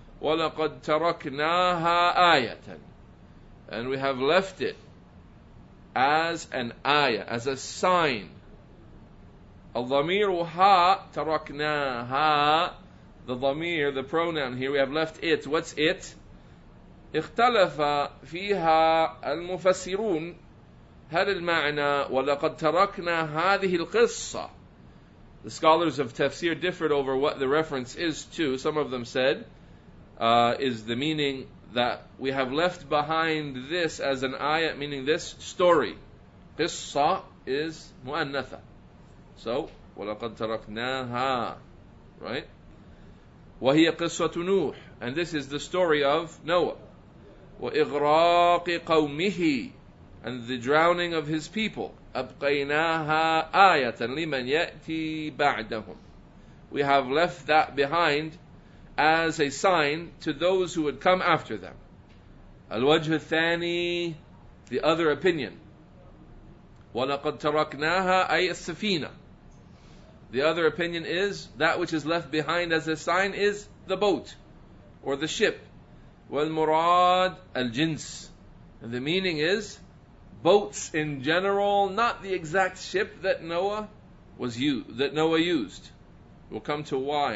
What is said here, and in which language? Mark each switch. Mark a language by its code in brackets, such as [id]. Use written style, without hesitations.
[ar] وَلَقَدْ تَرَكْنَاهَا آيَةً. [en] And we have left it as an ayah, as a sign. [ar] الضمير ها تركناها. [en] The ضمير, the pronoun here, we have left it. What's it? [ar] اختلف فيها المفسرون هل المعنى وَلَقَدْ تَرَكْنَا هَذِهِ الْقِصَّةِ. [en] The scholars of tafsir differed over what the reference is to. Some of them said, is the meaning that we have left behind this as an ayat, meaning this story. Qissa is mu'annatha. [ar] So, وَلَقَدْ تَرَكْنَاهَا. Right? وَهِيَ قِصَّةُ نُوحٍ. [en] And this is the story of Noah. [ar] وَإِغْرَاقِ قَوْمِهِ. [en] And the drowning of his people. [ar] أَبْقَيْنَاهَا آيَةً لِمَنْ يَأْتِي بَعْدَهُمْ. [en] We have left that behind as a sign to those who would come after them. [ar] الوجه الثاني, [en] the other opinion. [ar] وَلَقَدْ تَرَكْنَاهَا أي السفينة. [en] The other opinion is, that which is left behind as a sign is the boat, or the ship. [ar] وَالْمُرَادْ الْجِنْس. [en] The meaning is, boats in general, not the exact ship that Noah used. We'll come to why.